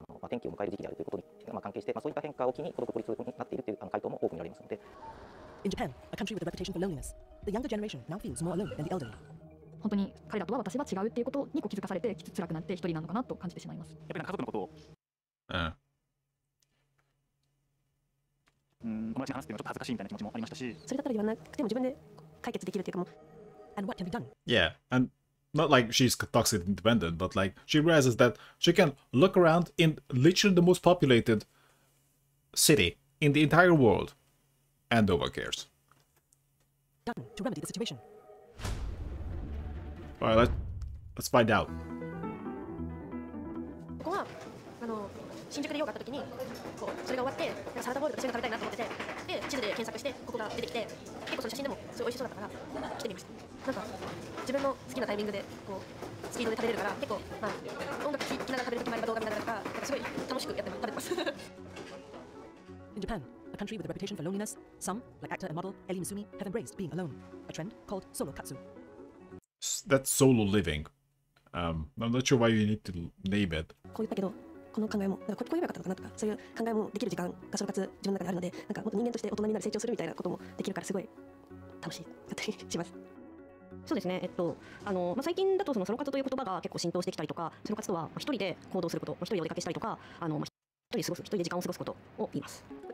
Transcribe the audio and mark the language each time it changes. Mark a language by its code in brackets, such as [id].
[en] In Japan, a country with a reputation for loneliness, the younger generation now feels more alone than the elderly. [ja] 本当に彼らとは私は違うっていうことに気づかされて辛くなって一人なのかなと感じてしまいます。やっぱり家族のことを、友達に話すっていうのはちょっと恥ずかしいみたいな気持ちもありましたし、それだったら言わなくても自分で解決できるっていうかも。 [en] And what can be done? Yeah, and not like she's toxic independent, but like she realizes that she can look around in literally the most populated city in the entire world, and nobody cares. Done to remedy the situation. All right, let's find out. [ja] ここは新宿で用があった時にこうそれが終わってサラダボールとか一緒に食べたいなと思っててで地図で検索してここが出てきて結構その写真でもすごい美味しそうだったから来てみました。なんか自分の好きなタイミングでこうスピードで食べれるから結構まあ音楽聴きながら食べる時もあれば動画見ながらとかすごい楽しくやってます食べてます。 [en] In Japan, a country with a reputation for loneliness, some, like actor and model Ellie Mizumi, have embraced being alone, a trend called solo katsu. That's solo living. I'm not sure why you need to name it. [ja] こう言ったけど、この考えも、こう言えばよかったのかなとか、そういう考えもできる時間が、それかつ自分の中であるので、なんかもっと人間として大人になり成長するみたいなこともできるからすごい楽しかったりします。そうですね、まあ、最近だとそのソロ活という言葉が結構浸透してきたりとか、ソロ活とは一人で行動すること、一人でお出かけしたりとか、まあ、一人で過ごす、一人で時間を過ごすことを言います。